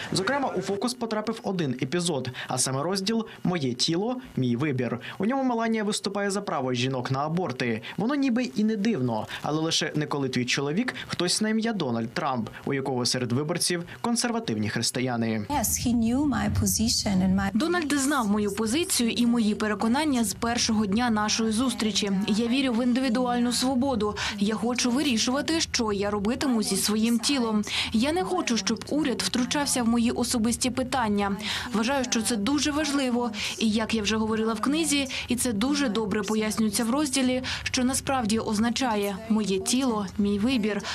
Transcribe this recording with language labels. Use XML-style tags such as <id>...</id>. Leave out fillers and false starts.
<uk>Зокрема, у фокус потрапив один епізод, а саме розділ «Моє тіло – мій вибір». У ньому Меланія виступає за право жінок на аборти. Воно ніби і не дивно, але лише не коли твій чоловік – хтось на ім'я Дональд Трамп, у якого серед виборців – консервативні християни.</uk> <en>Yes, he knew my position and my...</en> <uk>Дональд знав мою позицію. І мої переконання з першого дня нашої зустрічі. Я вірю в індивідуальну свободу. Я хочу вирішувати, що я робитиму зі своїм тілом. Я не хочу, щоб уряд втручався в мої особисті питання. Вважаю, що це дуже важливо. І як я вже говорила в книзі, і це дуже добре пояснюється в розділі, що насправді означає «моє тіло – мій вибір».</uk>